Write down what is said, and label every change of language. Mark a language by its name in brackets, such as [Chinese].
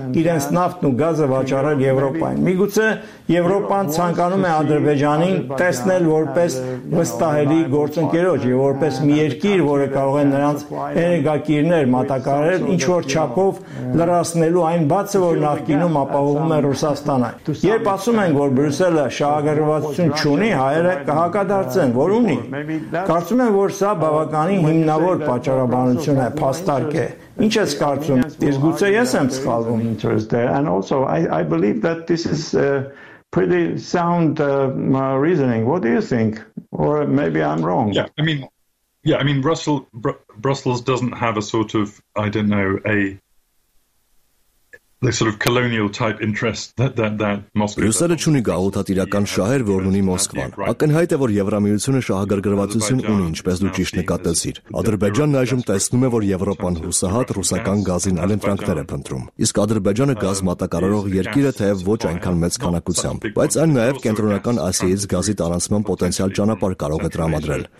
[Armenian] իրենց նավթն ու գազը վաճառել Եվրոպային։ Միգուցե Եվրոպան ցանկանում է Ադրբեջանին տեսնել որպես վստահելի գործընկերոջ եւ որպես մի երկիր, որը կարող է նրանց էներգակիրներ մատակարարել, ինչ որ չափով լրացնելու այն բացը, որ նախկինում ապահովում է Ռուսաստանը։ Երբ ասում են, որ Բրյուսելը շահագրգռվածություն չունի, հայերը կհակադարձեն, որ ունի։ Կարծում եմ, որ սա բավականին հիմնավոր պատճառաբանություն է, փաստարկ է։ Ինչ ես կարծում, ես գուցե ես եմ սխալվում։ [English] And also I believe that this is pretty sound reasoning. What do you think? Or maybe I'm wrong. I mean Brussels doesn't have a sort of, I don't know, the sort of colonial type interest that Moscow. [Armenian] Բրյուսելը չունի գաղութատիրական շահեր, որ ունի Մոսկվան։ Ակնհայտ է, որ Եվրամիությունը շահագրգռվածություն ունի, ինչպես դու ճիշտ նկատեցիր։ Ադրբեջանն այժմ տեսնում է, որ Եվրոպան հուսահատ ռուսական գազին ալենտրանքներ է փնտրում։ Իսկ Ադրբեջանը գազ մատակարարող երկիր է, թեև ոչ այնքան մեծ քանակությամբ, բայց այն նաև կենտրոնական Ասիայից գազի տարածման պոտենցիալ ճանապարհ կարող է դրամադրել։